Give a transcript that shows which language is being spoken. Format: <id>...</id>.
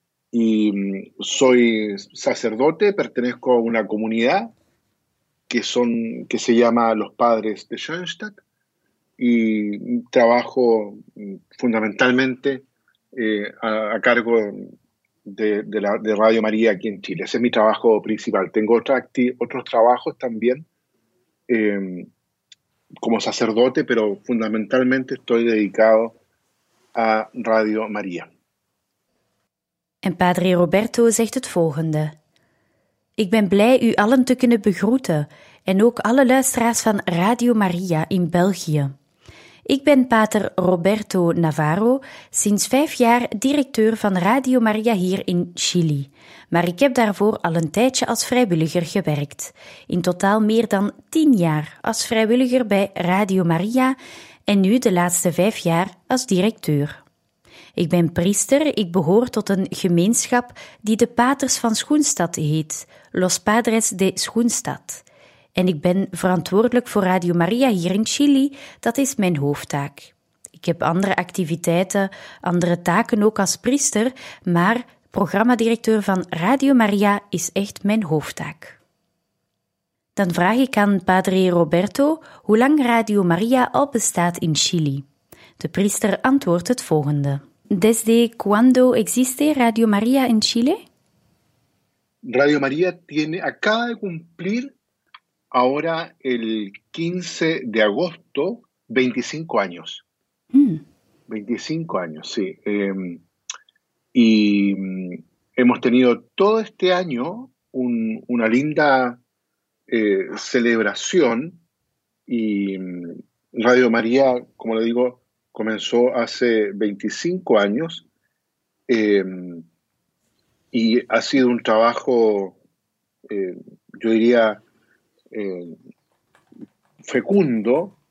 <es>Y soy sacerdote, pertenezco a una comunidad que se llama Los Padres de Schoenstatt y trabajo fundamentalmente a cargo de Radio María aquí en Chile. Ese es mi trabajo principal. Tengo otros trabajos también como sacerdote, pero fundamentalmente estoy dedicado a Radio María.</es> <nl>En Padre Roberto zegt het volgende. Ik ben blij u allen te kunnen begroeten en ook alle luisteraars van Radio Maria in België. Ik ben Pater Roberto Navarro, sinds 5 jaar directeur van Radio Maria hier in Chili. Maar ik heb daarvoor al een tijdje als vrijwilliger gewerkt. In totaal meer dan 10 jaar als vrijwilliger bij Radio Maria en nu de laatste 5 jaar als directeur. Ik ben priester, ik behoor tot een gemeenschap die de Paters van Schoenstatt heet, Los Padres de Schoenstatt. En ik ben verantwoordelijk voor Radio Maria hier in Chili, dat is mijn hoofdtaak. Ik heb andere activiteiten, andere taken ook als priester, maar programmadirecteur van Radio Maria is echt mijn hoofdtaak. Dan vraag ik aan Padre Roberto hoe lang Radio Maria al bestaat in Chili. De priester antwoordt het volgende.</nl> <es>¿Desde cuándo existe Radio María en Chile? Radio María acaba de cumplir ahora el 15 de agosto 25 años. Mm. 25 años, sí. Y hemos tenido todo este año una linda celebración y Radio María, como le digo, comenzó hace 25 años y ha sido un trabajo, yo diría, fecundo.</es>